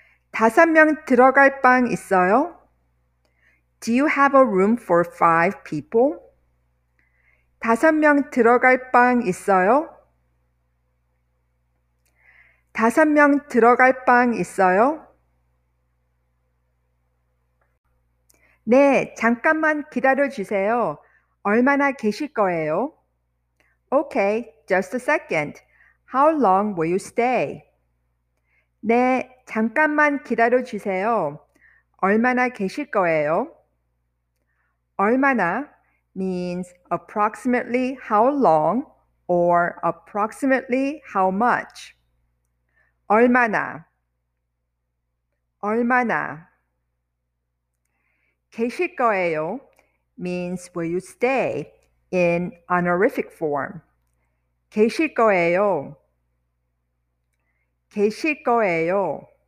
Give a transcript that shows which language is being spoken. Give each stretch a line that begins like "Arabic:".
Korean: 다섯 명 들어갈 방 있어요?
English: Do you have a room for five people?
Korean: 다섯 명 들어갈 방 있어요? 다섯 명 들어갈 방 있어요? 네, 잠깐만 기다려 주세요. 얼마나 계실 거예요?
English: Okay, just a second. How long will you stay?
Korean: 네, 잠깐만 기다려 주세요. 얼마나 계실 거예요? 얼마나
English: means approximately how long or approximately how much.
Korean: 얼마나 얼마나 계실 거예요
English: means will you stay in honorific form.
Korean: 계실 거예요 계실 거예요.